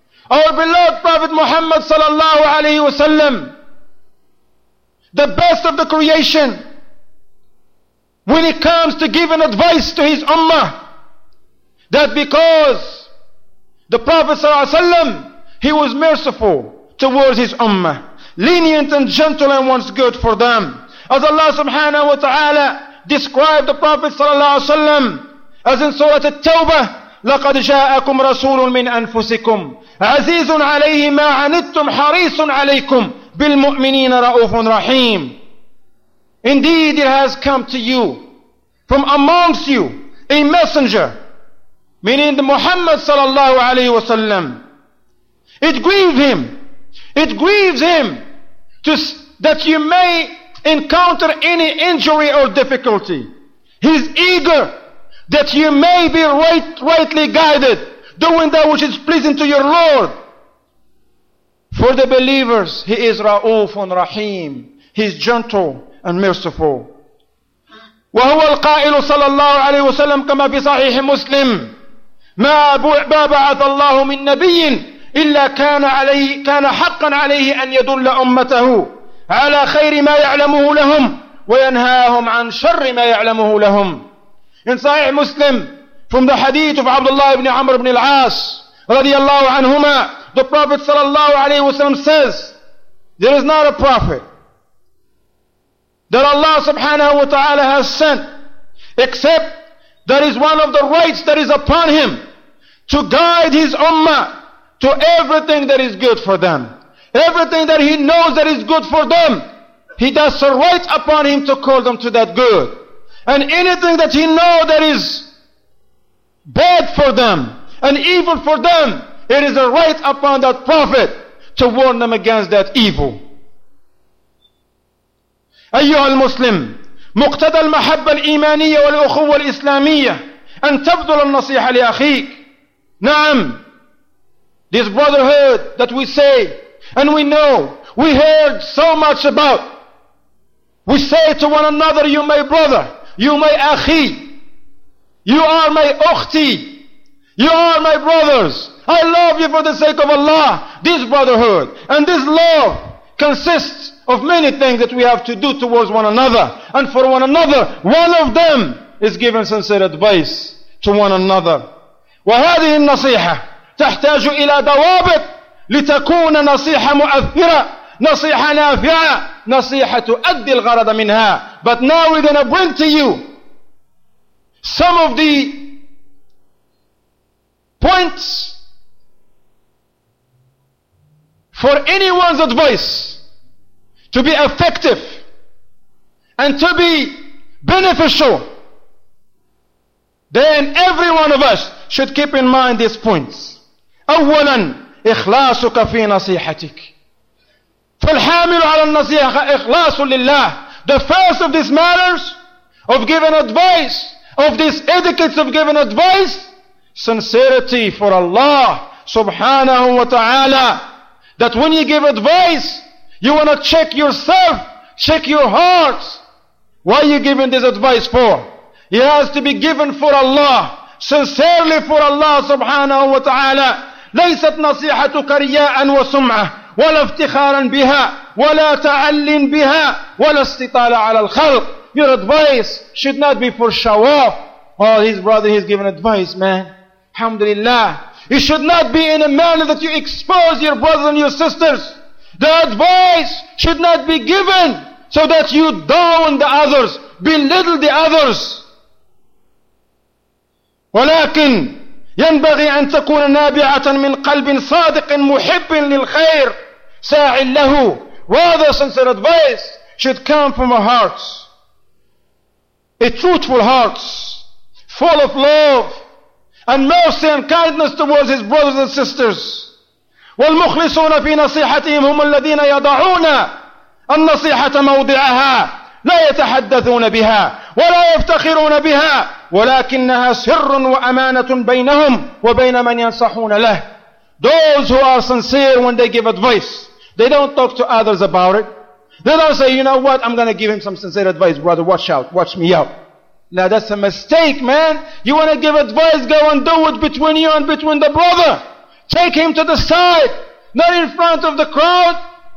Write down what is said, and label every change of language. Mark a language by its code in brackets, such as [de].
[en] Our beloved Prophet Muhammad [ar] صلى الله عليه وسلم, [en] the best of the creation, when it comes to giving advice to his ummah, that because the Prophet صلى الله عليه وسلم, he was merciful towards his ummah, lenient and gentle and wants good for them. As Allah subhanahu wa ta'ala described the Prophet صلى الله عليه وسلم, as in Surah At-Tawbah, [ar] لَقَدْ جَاءَكُمْ رَسُولٌ مِّنْ أَنفُسِكُمْ عَزِيزٌ عَلَيْهِ مَا عَنِدْتُمْ حَرِيصٌ عَلَيْكُمْ بِالْمُؤْمِنِينَ رَؤُوفٌ رَحِيمٌ. [en] Indeed, it has come to you from amongst you a messenger, meaning the Muhammad sallallahu alayhi wa sallam. It grieves him to, that you may encounter any injury or difficulty. He's eager that you may be rightly guided, doing that which is pleasing to your Lord. For the believers, he is Ra'ufun Rahim. He's gentle and merciful. [ar] وهو القائل صلى الله عليه وسلم كما في صحيح مسلم ما بعث الله من نبي إلا كان حقا عليه أن يدل أمته على خير ما يعلمه لهم وينهاهم عن شر ما يعلمه لهم. [en] In Sahih Muslim, from the hadith of Abdullah ibn Amr ibn al-As radiallahu anhuma, the Prophet sallallahu alayhi wa sallam says, there is not a prophet that Allah subhanahu wa ta'ala has sent, except there is one of the rights that is upon him to guide his ummah to everything that is good for them. Everything that he knows that is good for them, he does a right upon him to call them to that good. And anything that he knows that is bad for them and evil for them, it is a right upon that Prophet to warn them against that evil. [ar] أيها المسلم مقتدى المحبة الإيمانية والأخوة الإسلامية أن تبذل النصيحة لأخيك. نعم, [en] this brotherhood that we say and we know, we heard so much about, we say to one another, you my brother, you my akhi, you are my ukhti, you are my brothers. I love you for the sake of Allah. This brotherhood and this love consists of many things that we have to do towards one another and for one another. One of them is giving sincere advice to one another. [ar] وهذه النصيحة تحتاج إلى ضوابط لتكون نصيحة مؤثرة. نصيحة نافعة, نصيحة تؤدي الغرض منها. [en] But now we're going to bring to you some of the points for anyone's advice to be effective and to be beneficial. Then every one of us should keep in mind these points. [ar] أولا, إخلاصك في نصيحتك. فالحامل على النصيحة إخلاص لله. [en] The first of these matters of giving advice, of these etiquettes of giving advice, sincerity for Allah subhanahu wa ta'ala, that when you give advice, you want to check yourself, check your heart. Why are you giving this advice for? It has to be given for Allah, sincerely for Allah subhanahu wa ta'ala. [ar] ليست نصيحتك رياء وسمعة ولا افتخارا بها ولا تعل بها ولا استطالة على الخلق. [en] Your advice should not be for show off. Oh, his brother, he's given advice, man. Alhamdulillah. It should not be in a manner that you expose your brothers and your sisters. The advice should not be given so that you down the others, belittle the others. [ar] ولكن ينبغي أن تكون نابعة من قلب صادق محب للخير ساع له. [en] Rather, sincere advice should come from a heart, a truthful heart, full of love and mercy and kindness towards his brothers and sisters. [ar] والمخلصون في نصيحتهم هم الذين يضعون النصيحة موضعها لا يتحدثون بها ولا يفتخرون بها ولكنها سر وأمانة بينهم وبين من ينصحون له. [en] Those who are sincere when they give advice, they don't talk to others about it. They don't say, you know what, I'm going to give him some sincere advice, brother, watch out, watch me out. Now that's a mistake, man. You want to give advice, go and do it between you and between the brother. Take him to the side, not in front of the crowd.